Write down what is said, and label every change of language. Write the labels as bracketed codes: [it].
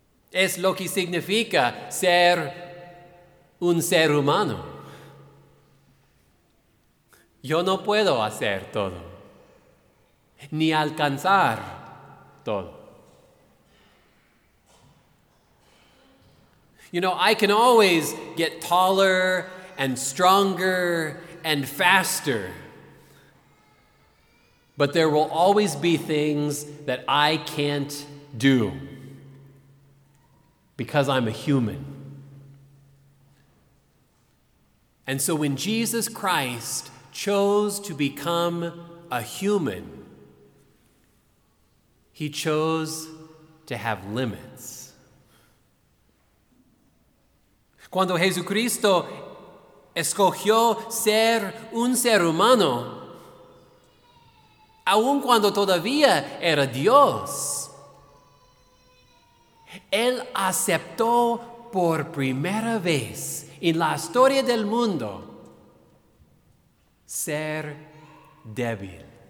[es] Es lo que significa ser un ser humano. Yo no puedo hacer todo, ni alcanzar todo. [en] You know, I can always get taller and stronger and faster, but there will always be things that I can't do because I'm a human. And so when Jesus Christ chose to become a human, he chose to have limits. [es] Cuando Jesucristo escogió ser un ser humano, aun cuando todavía era Dios, él aceptó por primera vez en la historia del mundo ser débil.